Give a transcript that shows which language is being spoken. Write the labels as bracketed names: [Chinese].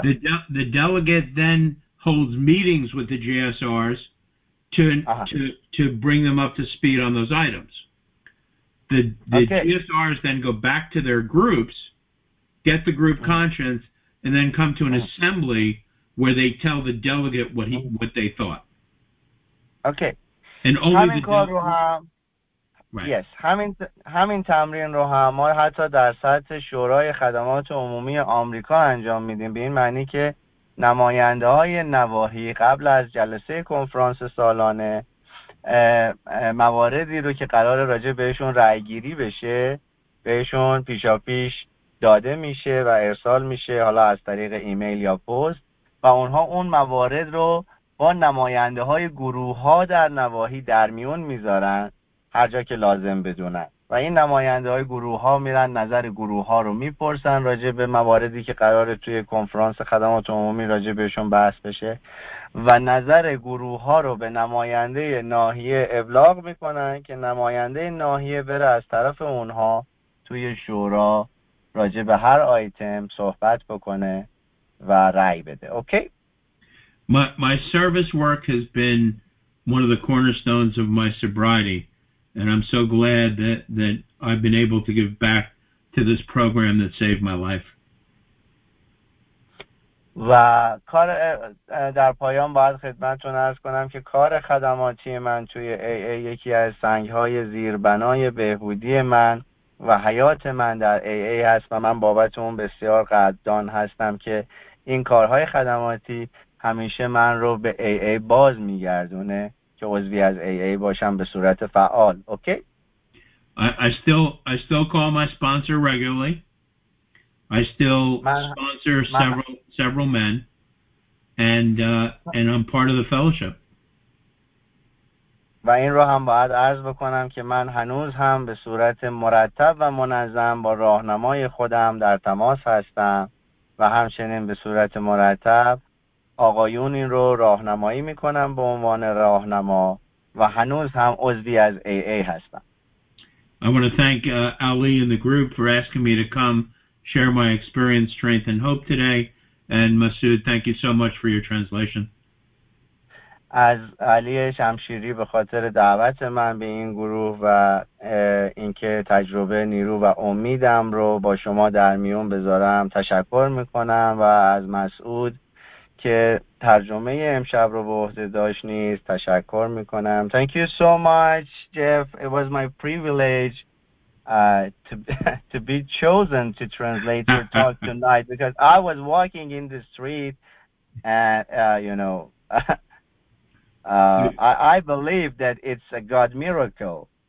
[English] The delegate then holds meetings with the GSRs to bring them up to speed on those items. The GSRs then go back to their groups, get the group conscience, and then come to an assembly where they tell the delegate what they thought. Okay. And only [Persian] همین [English] the [Persian] کار رو هم [English] right. Yes. [Persian] همین تمرین رو هم ما حتی در سطح شورای خدمات عمومی آمریکا انجام میدیم. به این معنی که نماینده های نواحی قبل از جلسه کنفرانس سالانه مواردی رو که قرار راجع بهشون رأی گیری بشه بهشون پیشاپیش داده میشه و ارسال میشه، حالا از طریق ایمیل یا پست، و اونها اون موارد رو با نماینده های گروه ها در نواحی در میون میذارن هر جا که لازم بدونن، و این نماینده های گروه ها میرن نظر گروه ها رو میپرسن راجع به مواردی که قراره توی کنفرانس خدمات عمومی راجع بهشون بحث بشه، و نظر گروه ها رو به نماینده ناحیه ابلاغ میکنن که نماینده ناحیه بره از طرف اونها توی شورا راجع به هر آیتم صحبت بکنه و رأی بده. اوکی؟ [English] My service work has been one of the cornerstones of my sobriety, and I'm so glad that I've been able to give back to this program that saved my life. [Persian] و کار در پایان باید خدمتتون عرض کنم که کار خدماتی من توی AA یکی از سنگ‌های زیربنای بهبودی من و حیات من در AA هست و من بابت اون بسیار قدردان هستم که این کارهای خدماتی همیشه من رو به AA باز می‌گردونه که عضوی از AA باشم به صورت فعال. اوکی؟ [English] I still call my sponsor regularly. I still sponsor several men. and I'm part of the fellowship. [Persian] و این رو هم باید عرض بکنم که من هنوز هم به صورت مرتب و منظم با راهنمای خودم در تماس هستم و همچنین به صورت مرتب آقایون این رو راهنمایی میکنم به عنوان راهنما و هنوز هم عضوی از AA هستم. [English] I want to thank Ali and the group for asking me to come share my experience, strength and hope today. And Masood, thank you so much for your translation. [Persian] از علی شمشیری به خاطر دعوت من به این گروه و اینکه تجربه نیرو و امیدم رو با شما در میون بذارم تشکر میکنم و از مسعود که ترجمه امشب رو به عهده داشت نیز تشکر میکنم. [English] Thank you so much, Jeff. It was my privilege to be chosen to translate your talk tonight because I was walking in the street and you know I believe that it's a God miracle.